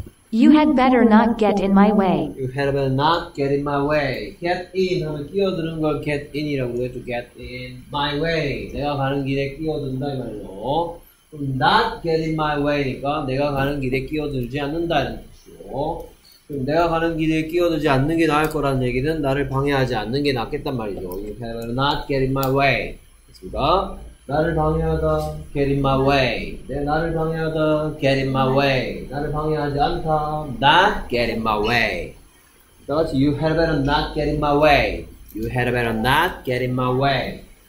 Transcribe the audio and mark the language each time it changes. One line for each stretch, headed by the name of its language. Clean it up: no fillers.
English: You had better not get in my way. You had better not get in my way.
Korean: Get in 하면 끼어드는 걸 get in이라고 해줘.
English: Get in my way.
Korean: 내가 가는 길에 끼어든다 이 말로.
English: Not get in my way
Korean: 니까 내가 가는 길에 끼어들지 않는다는 뜻이고. 그럼 내가 가는 길에 끼어들지 않는 게 나을 거라는 얘기는 나를 방해하지 않는 게 낫겠단 말이죠.
English: You had better not get in my way.
Korean: 됐습니다. 나를 방해하다,
English: get in my way.
Korean: 내 나를 방해하다,
English: get in my way.
Korean: 나를 방해하지 않다,
English: not get in my way.
Korean: 다 같이,
English: you had better not get in my way. You had better not get in my way.